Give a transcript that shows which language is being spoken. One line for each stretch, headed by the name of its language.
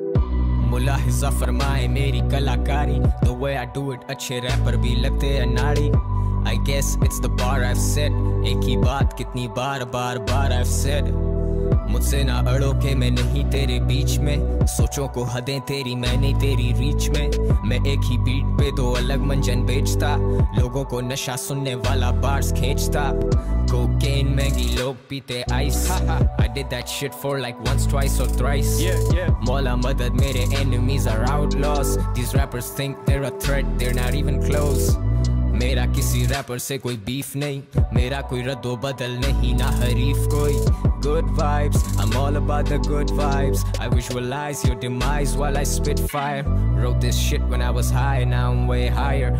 Hindi: फरमाए मेरी कलाकारी
English: the way I do it,
Hindi: अच्छे रैपर भी लगते हैं नाड़ी.
English: I guess it's the bar I've set.
Hindi: एक ही बात कितनी बार बार बार
English: I've said.
Hindi: मुझसे ना अड़ो के मैं नहीं तेरे बीच में. सोचों को हदें तेरी मैं नहीं तेरी रीच में. मैं एक ही बीट पे दो अलग मंजन बेचता. लोगों को नशा सुनने वाला बार्स खेचता. Cocaine मैगी लोग पीते ice.
English: I did that shit for like once, twice or thrice.
Hindi: मौला मदद मेरे
English: enemies are outlaws. These rappers think they're a threat, they're not even close.
Hindi: मेरा किसी रैपर से कोई बीफ नहीं. मेरा कोई रद्दो बदल नहीं ना हरीफ कोई.
English: Good vibes, I'm all about the good vibes. I visualize your demise while I spit fire. Wrote this shit when I was high, now I'm way higher.